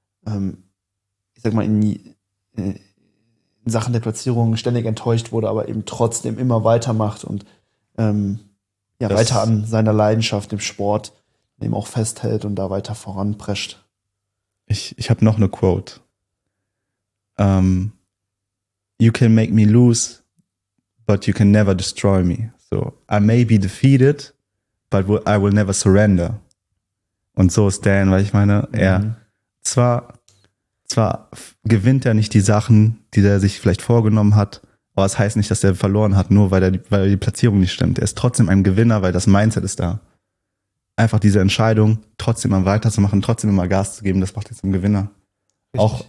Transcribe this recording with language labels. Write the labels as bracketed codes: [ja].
[de] Ich sag mal, in Sachen der Platzierung ständig enttäuscht wurde, aber eben trotzdem immer weitermacht und weiter an seiner Leidenschaft im Sport eben auch festhält und da weiter voranprescht. Ich habe noch eine Quote. [en] You can make me lose, but you can never destroy me. So, I may be defeated, but I will never surrender. [de] Und so ist Dan, weil ich meine, er zwar gewinnt er nicht die Sachen, die er sich vielleicht vorgenommen hat, aber es das heißt nicht, dass er verloren hat, nur weil die Platzierung nicht stimmt. Er ist trotzdem ein Gewinner, weil das Mindset ist da. Einfach diese Entscheidung, trotzdem mal weiterzumachen, trotzdem immer Gas zu geben, das macht ihn zum Gewinner. Richtig.